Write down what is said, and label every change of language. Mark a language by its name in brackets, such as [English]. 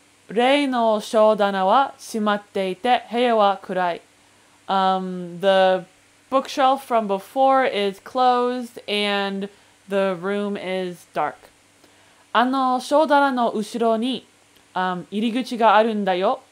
[Japanese] レイの商棚は閉まっていて部屋は暗い。 [English] The bookshelf from before is closed and the room is dark. [Japanese] あの商棚の後ろに入り口があるんだよ。